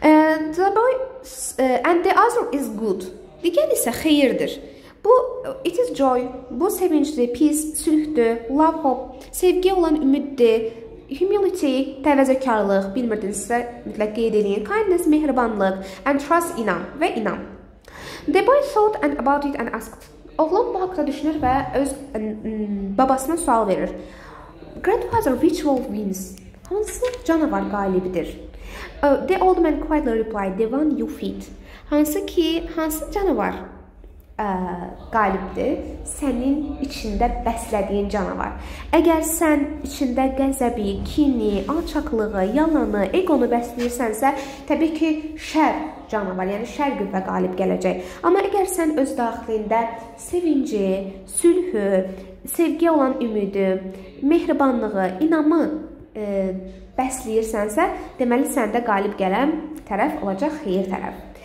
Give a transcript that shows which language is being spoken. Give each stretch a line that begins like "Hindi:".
English: And the other is good.
Azerbaijani: Digər isə xeyirdir. Bu,
English: it is joy.
Azerbaijani: Bu, sevincdir,
English: peace,
Azerbaijani: sülhdür,
English: love, hope,
Azerbaijani: sevgi olan ümiddir,
English: humility,
Azerbaijani: təvəzzəkarlıq, bilmirdinizsə, mütləq qeyd edin,
English: kindness,
Azerbaijani: mehribanlıq,
English: and trust,
Azerbaijani: inam və inam.
English: The boy thought and about it and asked.
Azerbaijani: Oğlan bu haqda düşünür və öz babasına sual verir.
English: Grandfather, which wolf wins?
Azerbaijani: Hansı canavar qalibdir?
English: The old man quietly replied, the one you feed.
Azerbaijani: Hansı canavar qalibdir? Sənin içində bəslədiyin canavar. Əgər sən içində qəzəbi, kini, alçaqlığı, yalanı, egonu bəsləyirsənsə, təbii ki, şər. Canavar, yəni şər qüvvə qalib gələcək. Amma əgər sən öz daxilində sevinci, sülhü, sevgi olan ümidi, mehribanlığı, inamı bəsləyirsənsə, deməli səndə qalib gələn tərəf olacaq xeyir tərəf.